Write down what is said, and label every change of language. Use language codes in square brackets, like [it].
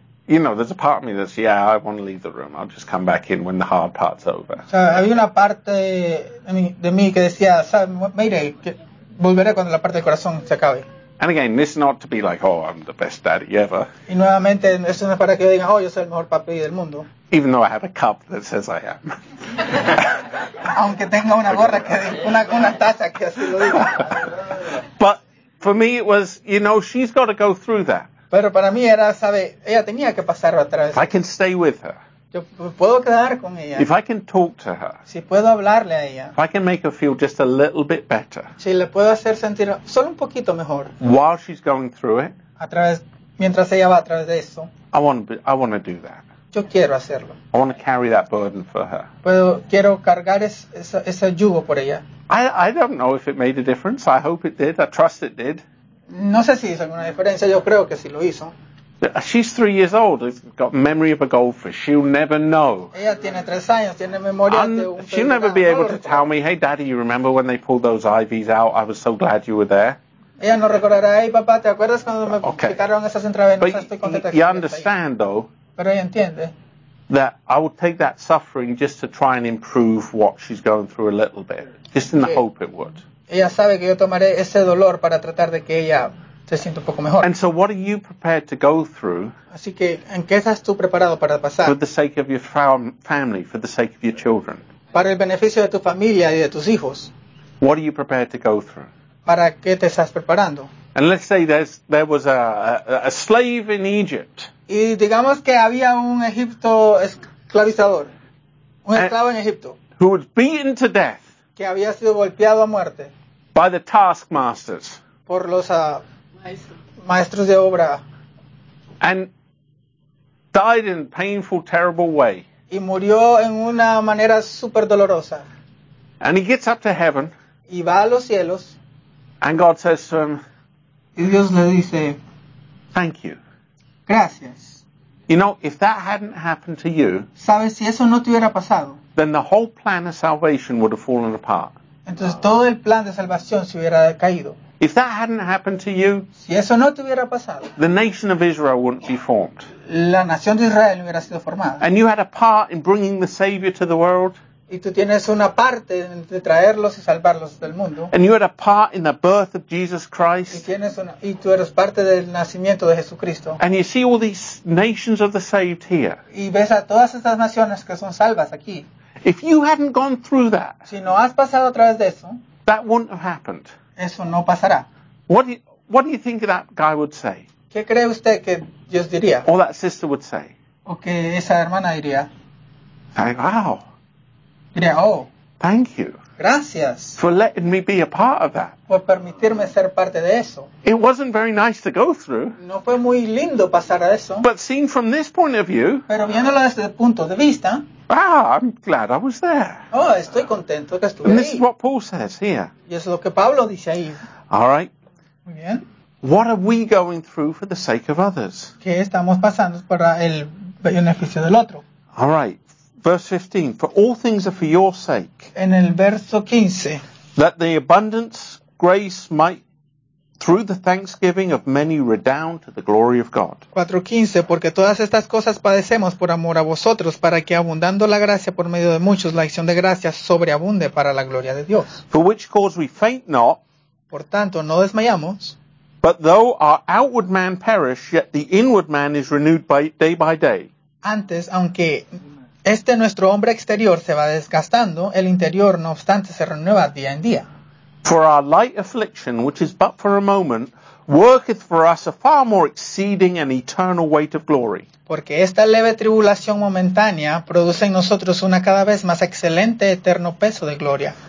[en] You know, there's a part of me that's, yeah, I want to leave the room. I'll just come back in when the hard part's over. [es] O sea, había una parte de mí que decía, ¿sabes? Mire, volveré cuando la parte del corazón se acabe. [en] And again, this is not to be like, oh, I'm the best daddy ever. [es] Y nuevamente, esto no es para que yo diga, oh, yo soy el mejor papi del mundo. [en] Even though I have a cup that says I am. [es] Aunque tenga una gorra que una taza que así lo diga. [en] But for me, it was, you know, she's got to go through that. [es] Pero para mí era, sabe, ella tenía que pasar otra vez. [en] I can stay with her. [es] Yo puedo quedar con ella. [en] If I can talk to her. [es] Si puedo hablarle a ella. [en] If I can make her feel just a little bit better. [es] Si le puedo hacer sentir solo un poquito mejor. [en] While she's going through it. [es] Mientras ella va a través de eso. [en] I want to do that. [es] Yo yo quiero hacerlo. [en] I want to carry that burden for her. [es] Puedo, quiero cargar ese yugo por ella. [en] I don't know if it made a difference. I hope it did. I trust it did. [es] No sé si hizo alguna diferencia. Yo creo que sí lo hizo. [en] She's 3 years old. She's got memory of a goldfish. She'll never know. [es] Ella tiene 3 años. Tiene memoria de un [en] she'll never be able to tell me, hey, Daddy, you remember when they pulled those IVs out? I was so glad you were there. [es] Ella no recordará, hey, papá, ¿te acuerdas cuando me quitaron esas intravenosas? [en] But you understand, though, [es] pero ella entiende, [en] that I would take that suffering just to try and improve what she's going through a little bit, just in the hope it would. [es] Ella sabe que yo tomaré ese dolor para tratar de que ella se sienta un poco mejor. [en] And so what are you prepared to go through, [es] así que, ¿en qué estás tú preparado para pasar? [en] For the sake of your family, for the sake of your children. [es] Para el beneficio de tu familia y de tus hijos. [en] What are you prepared to go through? [es] ¿Para qué te estás preparando? [en] And let's say there was a slave in Egypt. [es] Y digamos que había un Egipto esclavizador. Un esclavo en Egipto. [en] Who was beaten to death. [es] Que había sido golpeado a muerte. [en] By the taskmasters. [es] Por los maestros de obra. [en] And died in a painful, terrible way. [es] Y murió en una manera super dolorosa. [en] And he gets up to heaven. [es] Y va a los cielos. [en] And God says to him, [es] y Dios le dice, [en] thank you. [es] Gracias. [en] You know, if that hadn't happened to you, [es] ¿sabes? Si eso no te hubiera pasado, [en] then the whole plan of salvation would have fallen apart. [es] Entonces, todo el plan de salvación se hubiera caído. [en] If that hadn't happened to you, [es] si eso no te hubiera pasado, [en] the nation of Israel wouldn't be formed. [es] La nación de Israel hubiera sido formada. [en] And you had a part in bringing the Savior to the world. [es] Y tú tienes una parte de traerlos y salvarlos del mundo. [en] And you had a part in the birth of Jesus Christ. [es] Y tú eres parte del nacimiento de Jesucristo. [en] And you see all these nations of the saved here. [es] Y ves a todas esas naciones que son salvas aquí. [en] If you hadn't gone through that, [es] si no has pasado a través de eso, [en] that wouldn't have happened. [es] Eso no pasará. [en] What do you think that guy would say? [es] ¿Qué cree usted que Dios diría? [en] Or that sister would say. [es] O que esa hermana diría. [en] Wow. Yeah, oh, thank you. [es] Gracias. [en] For letting me be a part of that. [es] Por permitirme ser parte de eso. [en] It wasn't very nice to go through. [es] No fue muy lindo pasar a eso. [en] But seen from this point of view. [es] Pero viéndolo desde el punto de vista. [en] Ah, I'm glad I was there. [es] Oh, estoy contento que estuve [en] and And this is what Paul says here. [es] Y eso es lo que Pablo dice ahí. [en] All right. [es] Muy bien. [en] What are we going through for the sake of others? [es] ¿Qué estamos pasando para el beneficio del otro? [en] All right. Verse 15, for all things are for your sake. [es] En el verso 15. [en] That the abundance grace might, through the thanksgiving of many, redound to the glory of God. [es] 4:15, porque todas estas cosas padecemos por amor a vosotros, para que abundando la gracia por medio de muchos, la acción de gracias sobreabunde para la gloria de Dios. [en] For which cause we faint not. [es] Por tanto, no desmayamos. [en] But though our outward man perish, yet the inward man is renewed by day by day. [es] Antes, aunque este nuestro hombre exterior se va desgastando, el interior no obstante se renueva día en día. [en] For our light affliction, which is but for a moment, worketh for us a far more exceeding and eternal weight of glory. [es] Porque esta leve tribulación momentánea produce en nosotros una cada vez más excelente eterno peso de gloria.